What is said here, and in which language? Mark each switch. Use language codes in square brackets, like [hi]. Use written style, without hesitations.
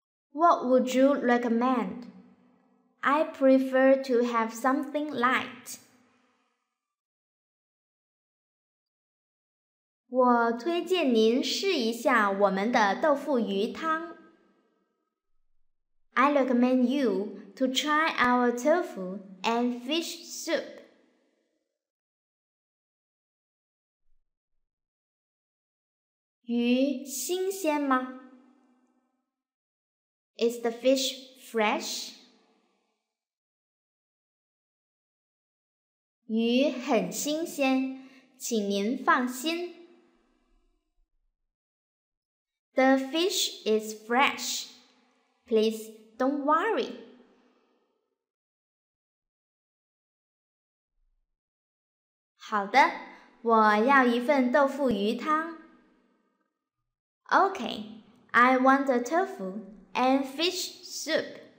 [en] ？What would you recommend? I prefer to have something light. [zh] 我推荐您试一下我们的豆腐鱼汤。 [en] I recommend you to try our tofu and fish soup. [zh] 鱼新鲜吗？ [en] Is the fish fresh? [zh] 鱼很新鲜，请您放心。 [en] The fish is fresh. Please. Don't worry. [zh] 好的，我要一份豆腐鱼汤。 [en] Okay, I want the tofu and fish soup.